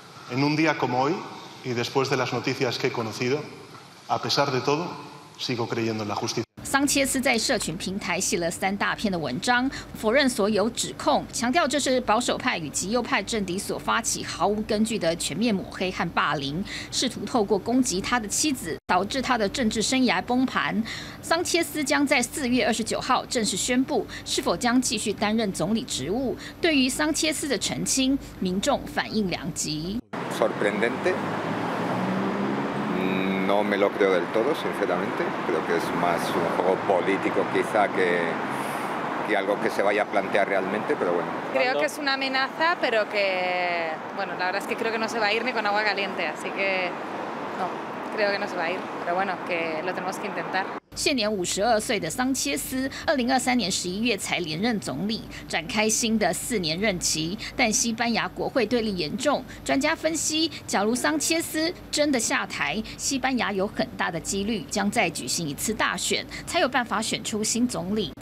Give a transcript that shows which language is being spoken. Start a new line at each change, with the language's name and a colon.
Spanish: En un día como hoy, y después de las noticias que he conocido, a pesar de todo, sigo creyendo en la justicia.
Chinese: 桑切斯在社群平台写了3大篇的文章，否认所有指控，强调这是保守派与极右派政敌所发起毫无根据的全面抹黑和霸凌，试图透过攻击他的妻子，导致他的政治生涯崩盘。桑切斯将在4月29号正式宣布是否将继续担任总理职务。对于桑切斯的澄清，民众反应两极。
Spanish: Sorprendente. No me lo creo del todo, sinceramente. Creo que es más un juego político quizá que algo que se vaya a plantear realmente, pero bueno. Creo que es una amenaza, pero que, bueno, la verdad es que creo que no se va a ir ni con agua caliente, así que no, creo que no se va a ir, pero bueno, que lo tenemos que intentar.
Chinese: 现年52岁的桑切斯，2023年11月才连任总理，展开新的4年任期。但西班牙国会对立严重，专家分析，假如桑切斯真的下台，西班牙有很大的几率将再举行一次大选，才有办法选出新总理。